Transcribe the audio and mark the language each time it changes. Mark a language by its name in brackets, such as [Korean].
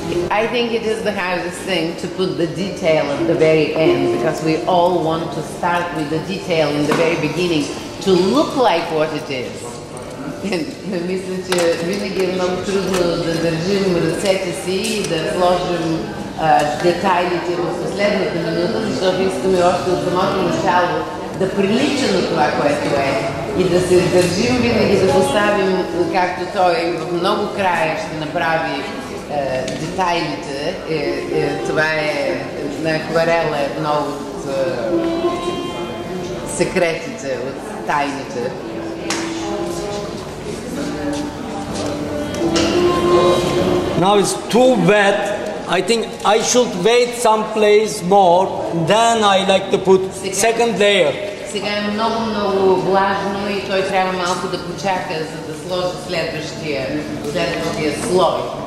[English] I think it is the hardest thing to put the detail at the very end, because we all want to start with the detail in the very beginning to look like what it is. [Bulgarian] Мисля, че винаги е много трудно да държим ръцете си и да сложим детайлите в последната минута, защото искаме още от самото начало да прилича на това, което е, и да се държим винаги, да поставим, както той в много края ще направи детайлите. Това е на акварела едно от секретите, от тайните. [English] Now it's too wet. I think I should wait some place more, then I like to put second layer. [Bulgarian] Сега е много, много влажно и той трябва малко да почака, за да сложи следващия слой.